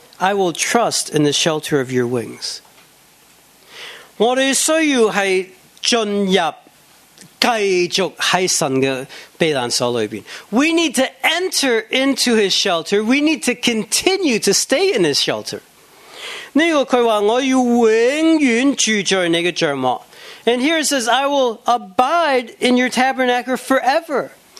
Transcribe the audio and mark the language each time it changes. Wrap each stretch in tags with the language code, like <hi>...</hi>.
<en>I will trust in the shelter of your wings.</en> <zh>我们需要进入神的避难所里面.</zh> <en>We need to enter into his shelter. We need to continue to stay in his shelter.</en> <zh>这个他说,我要永远住在你的帐幕.</zh> <en>And here it says, I will abide in your tabernacle forever.</en>